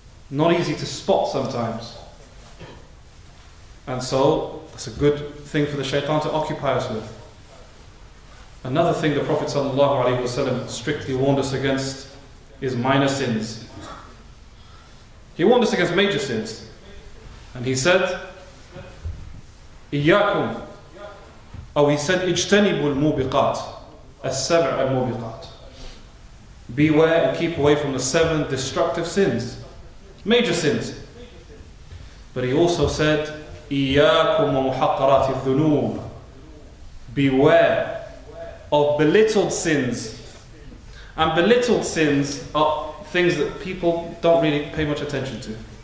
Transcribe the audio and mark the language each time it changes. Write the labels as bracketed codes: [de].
[en] Not easy to spot sometimes. And so, that's a good thing for the shaitan to occupy us with. Another thing the Prophet ﷺ strictly warned us against is minor sins. He warned us against major sins. And he said, [ar] إِيَّاكُمْ أو [en] he said, [ar] اجتنبوا الموبقات السبع الموبقات. [en] Beware and keep away from the seven destructive sins. Major sins. But he also said, [ar] إِيَّاكُمْ وَمُحَقَّرَاتِ الذُّنُوبِ. [en] Beware of belittled sins. And belittled sins are things that people don't really pay much attention to.